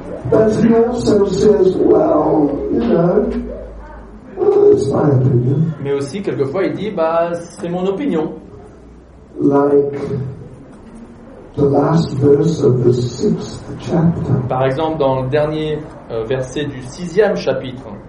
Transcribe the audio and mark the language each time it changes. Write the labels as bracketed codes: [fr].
[en] But he also says, well, you know, well, it's my opinion. [fr] Mais aussi quelquefois il dit, c'est mon opinion. [en] Like the last verse of the sixth chapter. [fr] Par exemple, dans le dernier verset du sixième chapitre.